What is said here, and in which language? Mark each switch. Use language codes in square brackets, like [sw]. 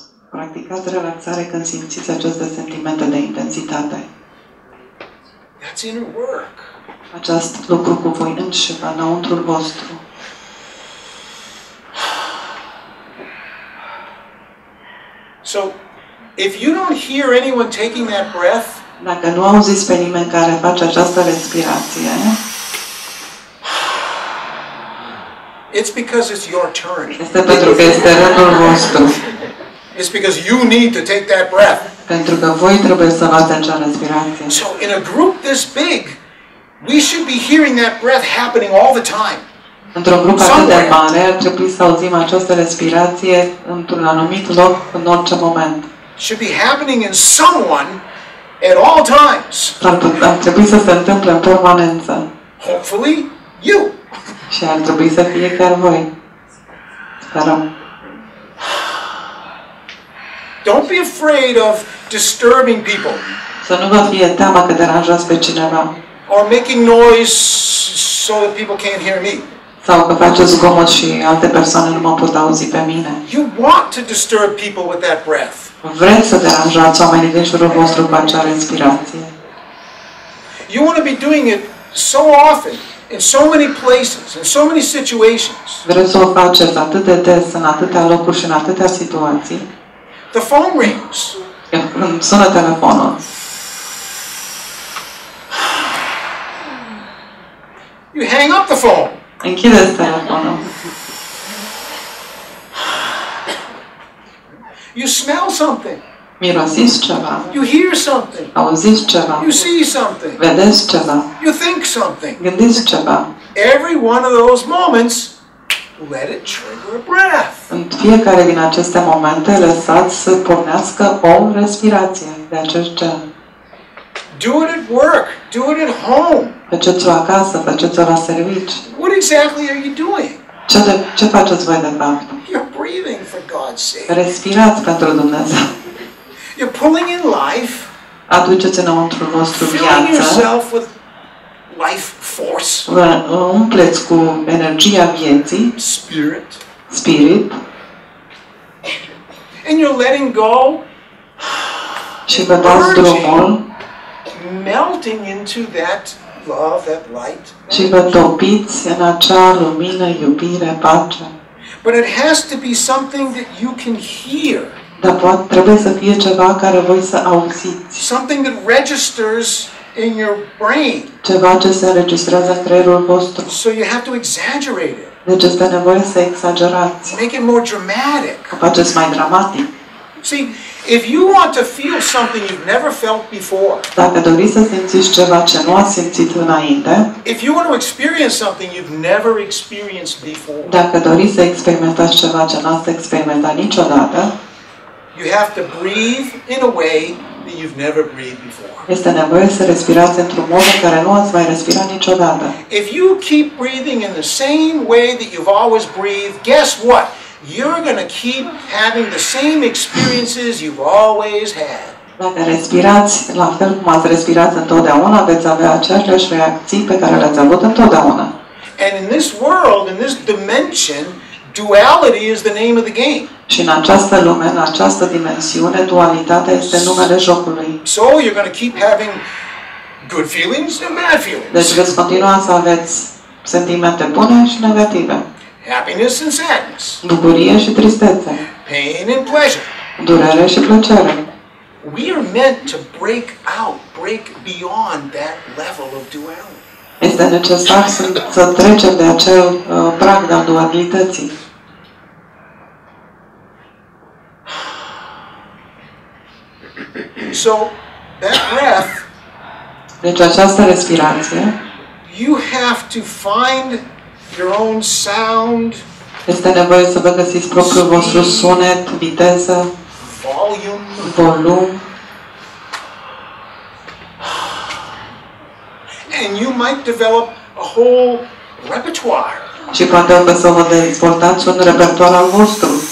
[ro] Practicați relaxare când simțiți aceste sentimente de intensitate. [en] That's inner work. [ro] Acest lucru cu voi înșepa înăuntrul vostru. [en] So, if you don't hear anyone taking that breath, [ro] dacă nu auziți pe nimeni care face această respirație, [en] it's because it's your turn. [ro] Este pentru că este rândul vostru. [en] It's because you need to take that breath. [ro] Pentru că voi trebuie să luați acea respirație. [en] So, in a group this big, we should be hearing that breath happening all the time. [ro] Într-o grupă atât de mare, ar trebui să auzim această respirație într-un anumit loc, în orice moment. [en] Should be happening in someone at all times. [ro] Ar trebui să se întâmple în permanență. [en] Hopefully, you. [ro] Și ar trebui să fie chiar voi. Sperăm. [en] Don't be afraid of disturbing people. [ro] Să nu vă fie teamă că deranjați pe cineva. [en] Or making noise so that people can't hear me. [ro] Sau că faceți zgomot și alte persoane nu mă pot auzi pe mine. [en] You want to disturb people with that breath. [ro] Vreți să deranjați oamenii din jurul vostru cu acea respirație. [en] You want to be doing it so often, in so many places, in so many situations. [ro] Vreți să o faceți atât de des, în atâtea locuri și în atâtea situații. [en] The phone rings. [ro] când sună telefonul. [en] You hang up the phone. [ro] Închideți telefonul. [en] You smell something. [ro] Mirosiți ceva. [en] You hear something. [ro] Auziți ceva. [en] You see something. [ro] Vedeți ceva. [en] You think something. [ro] Gândiți ceva. [en] Every one of those moments, let it trigger a breath. [ro] În fiecare din aceste momente, lăsați să pornească o respirație de acest gen. [en] Do it at work. Do it at home. [ro] Faceți-o acasă, faceți-o la servici. [en] What exactly are you doing? [ro] Ce faceți voi de fapt? [en] You're breathing, for God's sake. [ro] Respirați pentru Dumnezeu. [en] You're pulling in life. [ro] Aduceți înăuntru nostru viață. [en] Filling yourself with life force. [ro] Vă umpleți cu energia vieții. [en] Spirit. [ro] Spirit. [en] And you're letting go. [ro] Și vă dați drumul. [en] Melting into that love, that light. [ro] Și vă topiți în acea lumină, iubire, pace. [en] But it has to be something that you can hear. [ro] Dar poate, trebuie să fie ceva care voi să auziți. [en] Something that registers in your brain. [ro] Ceva ce se înregistrează în creierul vostru. [en] So you have to exaggerate it. [ro] Deci este nevoie să exagerați. [en] Make it more dramatic. [ro] O faceți mai dramatic. [en] See, if you want to feel something you've never felt before. [ro] Dacă doriți să simțiți ceva ce nu ați simțit înainte. [en] If you want to experience something you've never experienced before. [ro] Dacă doriți să experimentați ceva ce nu ați experimentat niciodată. [en] You have to breathe in a way that you've never breathed before. [ro] Este nevoie să respirați într-un mod în care nu ați mai respirat niciodată. [en] If you keep breathing in the same way that you've always breathed, guess what? You're going to keep having the same experiences you've always had. [ro] Dacă respirați la fel cum ați respirat întotdeauna, veți avea aceleași reacții pe care le-ați avut întotdeauna. [en] And in this world, in this dimension, duality is the name of the game. [ro] Și în această lume, în această dimensiune, dualitatea este numele jocului. [en] So you're going to keep having good feelings and bad feelings. [ro] Deci veți continua să aveți sentimente bune și negative. [en] Happiness and sadness. [ro] Bucurie și tristețe. [en] Pain and pleasure. [ro] Durere și plăcere. [en] We are meant to break out, break beyond that level of duality. [ro] Este necesar să trecem de acel prag de dualității. [en] So that breath. [ro] Deci această respirație. [en] You have to find your own sound. [ro] Este nevoie să vă găsiți propriul vostru sunet, viteză, volum. [en] And you might develop a whole repertoire. [ro] Și poate o să vă dezvoltați un repertoar al vostru.